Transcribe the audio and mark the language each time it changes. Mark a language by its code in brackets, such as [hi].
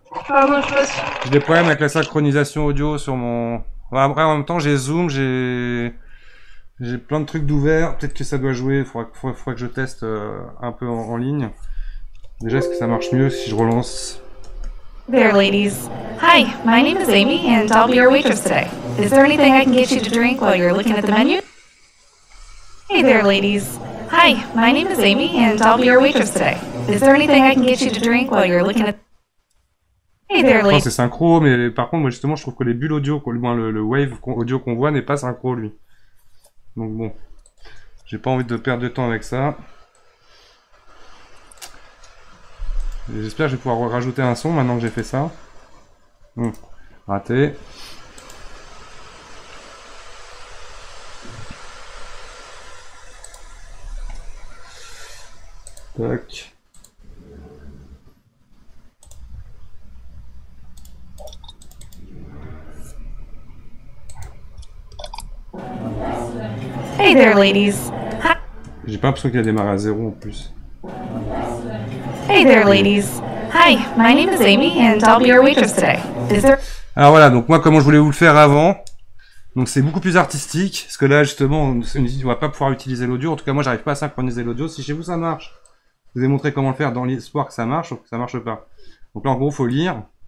[fr] Pardon, je passe. J'ai des problèmes avec la synchronisation audio sur mon... Après, en même temps, j'ai Zoom, J'ai plein de trucs d'ouvert, peut-être que ça doit jouer, il faudra que je teste un peu en ligne. Déjà, est-ce que ça marche mieux si je relance? [en] There, ladies. Hi, my name is Amy and I'll be your waitress today. Is there anything I can get you to drink while you're looking at the menu? Hey there, ladies. Hi, my name is Amy and I'll be your waitress today. Is there anything I can get you to drink while you're looking at... Hey there, ladies. [fr] Non, c'est synchro, mais par contre, moi justement, je trouve que les bulles audio, moins le wave audio qu'on voit n'est pas synchro, lui. Donc bon, j'ai pas envie de perdre de temps avec ça. Et j'espère que je vais pouvoir rajouter un son maintenant que j'ai fait ça. Bon, raté. Tac. [en] Hey there, ladies. [fr] J'ai pas l'impression qu'il a démarré à zéro en plus. [en] Hey there, ladies. Hi, my name is Amy and I'll be your waitress today. [fr] Alors voilà, donc moi comment je voulais vous le faire avant, donc c'est beaucoup plus artistique parce que là justement on ne va pas pouvoir utiliser l'audio. En tout cas moi j'arrive pas à synchroniser l'audio. Si chez vous ça marche, je vous ai montré comment le faire dans l'espoir que ça marche, sauf que ça marche pas. Donc là en gros faut lire.